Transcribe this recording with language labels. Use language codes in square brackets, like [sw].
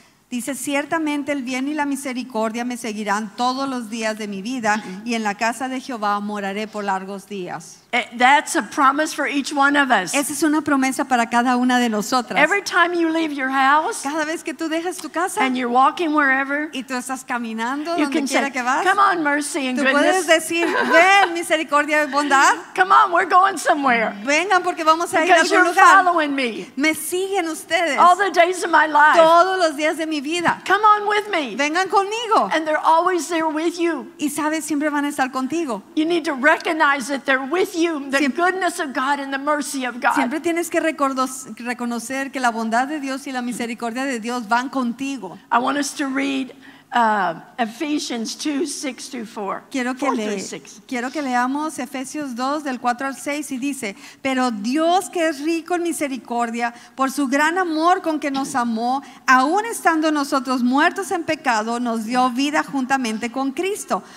[es] Dice, ciertamente el bien y la misericordia me seguirán todos los días de mi vida, y en la casa de Jehová moraré por largos días. [en] That's a promise for each one of us. [es] Esa es una promesa para cada una de nosotras. [en] Every time you leave your house, [es] cada vez que tú dejas tu casa, [en] and you're walking wherever, [es] y tú estás caminando donde quiera que vas, [en] come on, mercy and goodness. [es] Tú puedes decir, ven, misericordia y bondad. [en] Come on, we're going somewhere. [es] Vengan porque vamos a ir a algún lugar. [en] Because you're following me. [es] Me siguen ustedes. [en] All the days of my life. [es] Todos los días de mi vida. [en] Come on with me. [es] Vengan conmigo. [en] And they're always there with you. [es] Y sabes, siempre van a estar contigo. [en] You need to recognize that they're with you. The siempre, goodness of God and the mercy of God. [es] Siempre tienes que reconocer que la bondad de Dios y la misericordia de Dios van contigo. [en] I want us to read Ephesians 2:6-4. [es] Quiero que leamos Efesios 2 del 4 al 6 y dice, pero Dios que es rico en misericordia, por su gran amor con que nos amó, aún estando nosotros muertos en pecado, nos dio vida juntamente con Cristo.